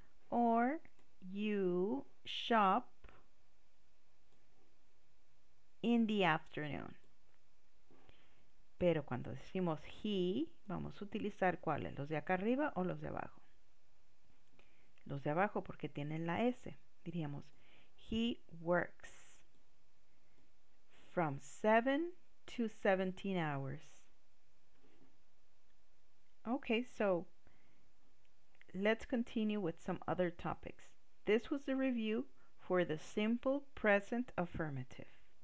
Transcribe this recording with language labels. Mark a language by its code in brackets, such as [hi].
[en] Or you shop in the afternoon. [es] Pero cuando decimos he, vamos a utilizar ¿cuáles? ¿Los de acá arriba o los de abajo? Los de abajo porque tienen la S. Diríamos, [en] he works from 7 to 17 hours. Okay, so let's continue with some other topics. This was the review for the simple present affirmative.